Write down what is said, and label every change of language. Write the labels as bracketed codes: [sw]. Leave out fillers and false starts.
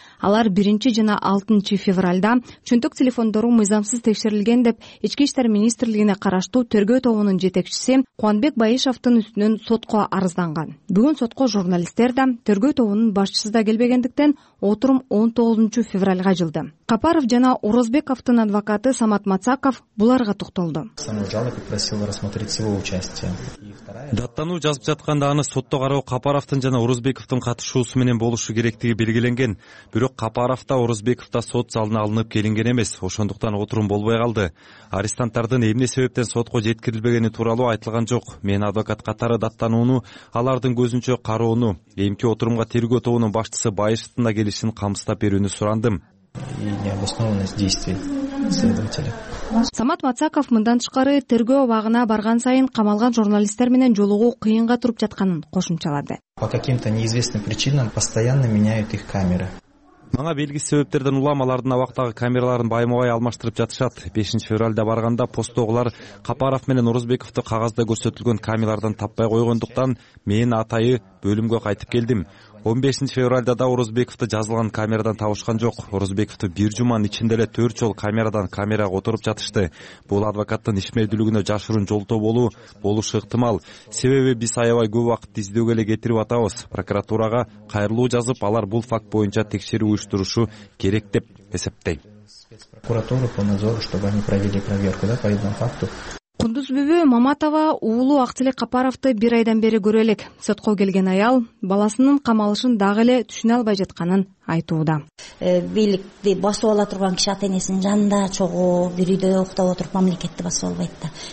[ky] Алар 1-чи жана 6-февралда чөнтөк телефондору мыйзамсыз текшерилген деп Ички иштер министрлигине караштуу тергөө тобунун жетекчиси Кубанбек Байышовдун үстүнөн сотко арызданган. Бүгүн сотко журналисттер да, тергөө тобунун башчысы да келбегендиктен отурум 19-февралга жылды. Капаров жана Орозбековдун адвокаты Самат Мацаков буларга токтолду. [ru] Саму жалоб попросил рассмотреть его участие. [ky] Даттануу жазып жатканда аны сотто кароо Капаровдун жана Орозбековдун катышуусу менен болушу керектиги белгиленген. Бирок Капаров да Орозбеков да сот залына алынып келинген эмес. Ошондуктан отурум болбой калды. Арестанттардын эмне себептен сотко жеткирилбегени тууралуу айтылган жок. Мен адвокат катары даттанууну, алардын көзүнчө кароону, эмки отурумга тергөө тобунун башчысы Байышовдун да келишин камсыздап берүүнү сурандым. [ru] И необоснованность действий следователя. [ky] Самат Мацаков мындан тышкары тергөө абагына барган сайын камалган журналисттер менен жолугуу кыйынга туруп жатканын кошумчалады. [ru] По каким-то неизвестным причинам постоянно меняют их камеры. [ky] Мага белгисиз себептерден улам алардын абактагы камераларын байма-бай алмаштырып жатышат. 5-февралда барганда посттогулар Капаров менен Орозбековду кагазда көрсөтүлгөн камералардан таппай койгондуктан мен атайы бөлүмгө кайтып келдим. 15-февралда да Орозбековду жазылган камерадан табышкан жок. Орозбековду бир жуманын ичинде эле 4 жол камерадан камерага отуруп жатышты. Бул адвокаттын ишмердүүлүгүнө жашыруун жолтоо болушу ыктымал. Себеби биз аябай көп убакыт издөөгө эле кетирип атабыз. Прокуратурага кайрылуу жазып, алар бул факт боюнча текшерүү уюштурушу керек деп эсептейм. [ru] Прокуратура по надзору, чтобы они провели проверку, да, по этому факту. [ky] Кундуз бүбү Маматова уулу Актылек Капаровту бир айдан бери көрө элек. Сотко келген аял баласынын камалышын дагы эле түшүнө албай жатканын айтууда. Бийликти басып ала турган киши ата-энесинин жанында чогуу, бир үйдө уктап отуруп мамлекетти басып албайт да.